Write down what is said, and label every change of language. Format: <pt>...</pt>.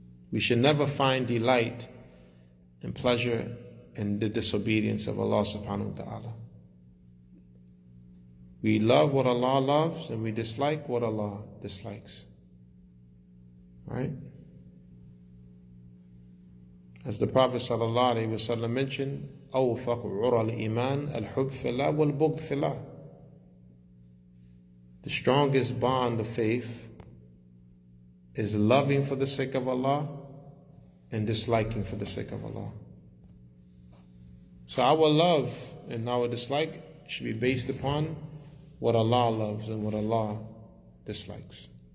<en>We should never find delight and pleasure in the disobedience of Allah subhanahu wa ta'ala. We love what Allah loves and we dislike what Allah dislikes. Right? As the Prophet sallallahu alaihi wasallam mentioned,</en> <ar>أوثق عرى الإيمان الحب في الله والبغض في الله.</ar> <en>The strongest bond of faith is loving for the sake of Allah and disliking for the sake of Allah. So our love and our dislike should be based upon what Allah loves and what Allah dislikes.</en>